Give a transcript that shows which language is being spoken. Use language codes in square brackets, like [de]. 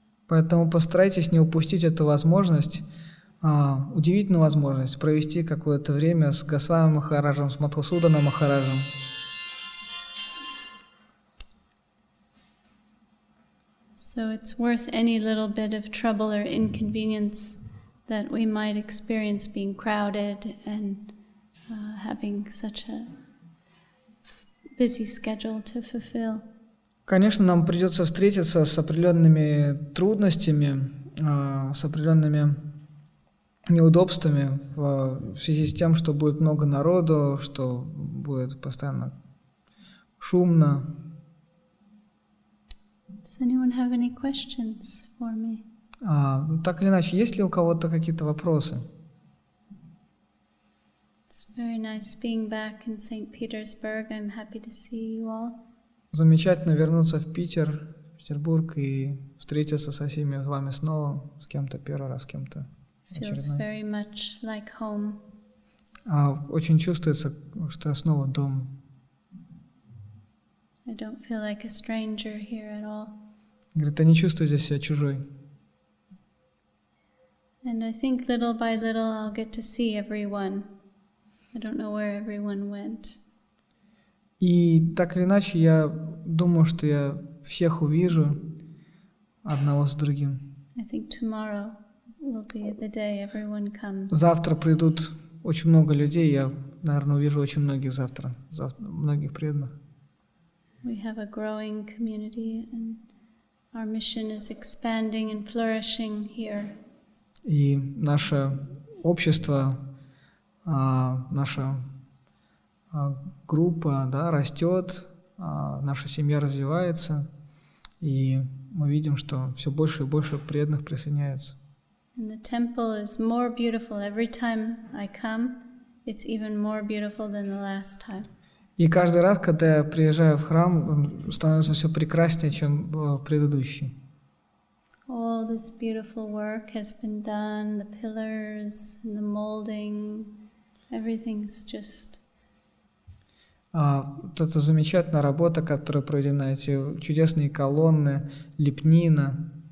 [ru] Поэтому постарайтесь не упустить эту возможность, удивительную возможность провести какое-то время с Госвами Махараджем, с Мадхусуданом Махараджем. [en] So it's worth any little bit of trouble or inconvenience that we might experience being crowded and having such a busy schedule to fulfill. [ru] Конечно, нам придется встретиться с определенными трудностями, с определенными неудобствами в связи с тем, что будет много народу, что будет постоянно шумно. [en] Does anyone have any questions for me? [ru] Так или иначе, есть ли у кого-то какие-то вопросы? [en] It's very nice being back in St. Petersburg. I'm happy to see you all. [ru] Замечательно вернуться в Питер, в Петербург и встретиться со всеми с вами снова, с кем-то первый раз, с кем-то очередной. [en] Feels very much like home. [ru] Очень чувствуется, что я снова дом. [en] I don't feel like a stranger here at all. [ru] Говорит, я не чувствую здесь себя чужой. [en] And I think little by little I'll get to see everyone. I don't know where everyone went. [ru] И так или иначе, я думаю, что я всех увижу одного с другим. [en] I think tomorrow will be the day everyone comes. [ru] Завтра придут очень много людей, я, наверное, увижу очень многих завтра, многих преданных. [en] We have a growing community and our mission is expanding and flourishing here. [ru] И наше общество, наша группа, да, растет, наша семья развивается, и мы видим, что все больше и больше преданных присоединяется. [en] And the temple is more beautiful. Every time I come, it's even more beautiful than the last time. [ru] И каждый раз, когда я приезжаю в храм, он становится все прекраснее, чем предыдущий. [en] All this beautiful work has been done, the pillars, the molding, everything's just... [ru] Вот эта замечательная работа, которая проведена, эти чудесные колонны, лепнина.